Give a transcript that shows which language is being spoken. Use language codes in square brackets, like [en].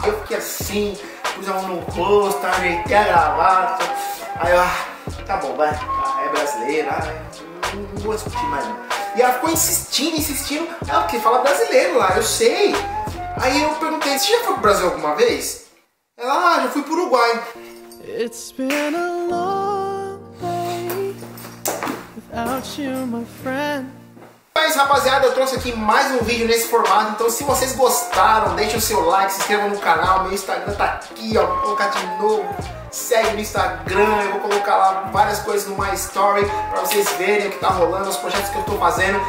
[pt] Eu fiquei assim, pus a mão no rosto, ajeitei a gravata. Aí eu, tá bom, vai. É brasileiro, não vou discutir mais. E ela ficou insistindo. É o que? Fala brasileiro lá, eu sei. Aí eu perguntei, você já foi pro Brasil alguma vez? Ela, ah, já fui pro Uruguai. [en] It's been a long day without you, my friend. [pt] Mas rapaziada, eu trouxe aqui mais um vídeo nesse formato. Então se vocês gostaram, deixa o seu like, se inscreva no canal. Meu Instagram tá aqui, ó, vou colocar de novo. segue no Instagram, eu vou colocar lá várias coisas no My Story pra vocês verem o que tá rolando, os projetos que eu tô fazendo.